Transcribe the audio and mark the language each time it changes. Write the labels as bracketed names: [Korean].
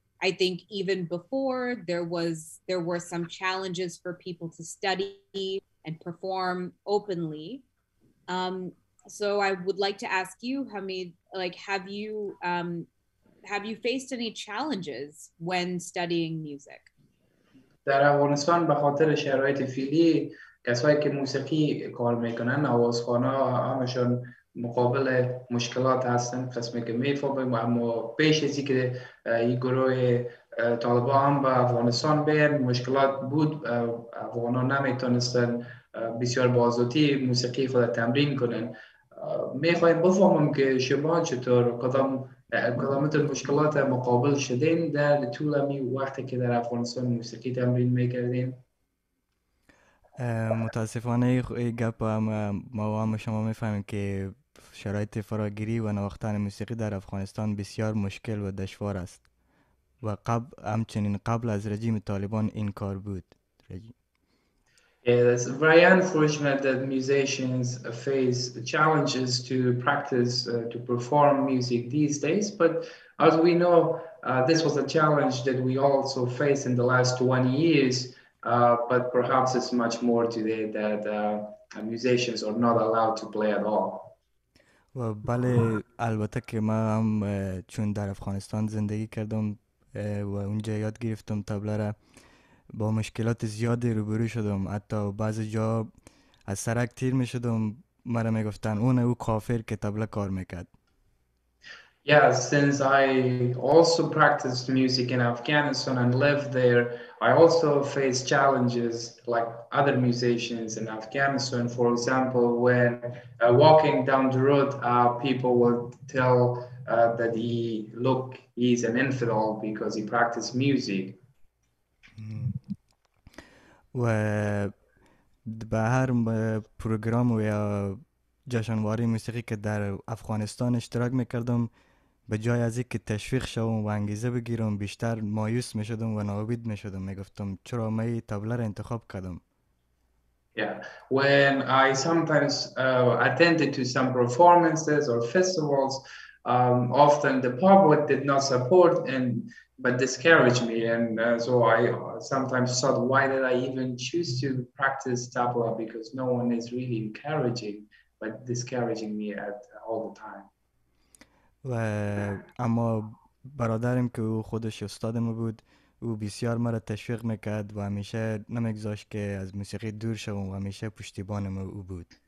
[English] I think even before, there were some challenges for people to study and perform openly. So I would like to ask you, Hamid, like, have you faced any challenges when studying music? [Persian] در افغانستان به خاطر شرایط فعلی کسایی که موسیقی کار میکنن آوازخوانها همشون مقابل مشکلات هستن قسمی که میفهمم اما پیش از اینکه این گروه طالبان هم به افغانستان بیان مشکلات بود افغانها نمیتونستن بسیار با آزادی موسیقی خود تمرین کنن میخوایم بفهمم که شما چطور کدامتون مشکلات مقابل شدین در طول امی وقتی که در افغانستان موسیقی تمرین میکردین متاسفانه این گپ ما و هم شما میفهمیم که شرایط فراگیری و نواختن موسیقی در افغانستان بسیار مشکل و دشوار است و قبل از رژیم طالبان این کار بود [English] Yeah, that's very unfortunate that musicians face challenges to practice, to perform music these days. But as we know, this was a challenge that we also face in the last 20 years. But perhaps it's much more today that musicians are not allowed to play at all. [Persian] Well, بله البته که ما هم چون در افغانستان زندگی کردم و اونجا یاد گرفتم تبله را با مشکلات زیادی روبرو شدم حتی بعضی جا از سرک تیر می شدم مرا می گفتن اون او کافر که تبله کار میکرد [English] Yeah, since I also practiced music in Afghanistan and lived there, I also faced challenges like other musicians in Afghanistan. For example, when walking down the road, people would tell that he's an infidel because he practiced music. [Persian] و به هر پروگرام و یا جشنواره موسیقی که در افغانستان اشتراک میکردم به جای از اینکه تشویق شوم و انگیزه بگیرم بیشتر مایوس میشدم و ناامید میشدم میگفتم چرا من تبله را انتخاب کردم [English] Yeah, when I sometimes attended to some performances or festivals, often the public did not support and but discouraged me and so I sometimes thought why did I even choose to practice tabla because no one is really encouraging but discouraging me at all the time [Persian] و اما برادرم که او خودش استاد ما بود او بسیار مرا تشویق میکرد و همیشه نمیگذاشت که از موسیقی دور شوم و همیشه پشتیبان ما او بود